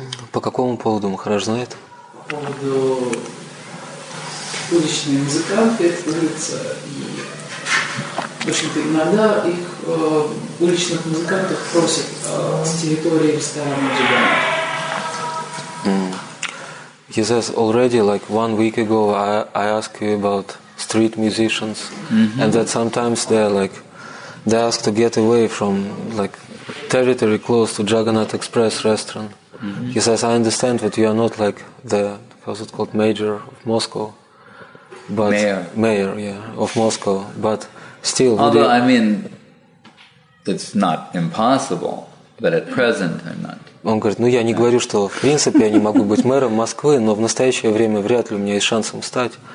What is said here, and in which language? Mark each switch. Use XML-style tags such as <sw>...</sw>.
<ru>По какому поводу Махарадж знает? По поводу уличных музыкантов, улица, и в общем-то иногда их уличных музыкантов просят с территории ресторана Джиган.</ru> <en>He says already like 1 week ago I asked you about street musicians and that sometimes they ask to get away from like territory close to Jagannath Express restaurant. He says, I understand that you are not like the, how's it called, mayor of Moscow. But mayor. Mayor, yeah, of Moscow. But still. Although, I mean, it's not impossible, but at present I'm not.</en> <ru>Он говорит, ну я не говорю, что в принципе я не могу быть мэром Москвы, но в настоящее время вряд ли у меня есть шанс им стать.</ru>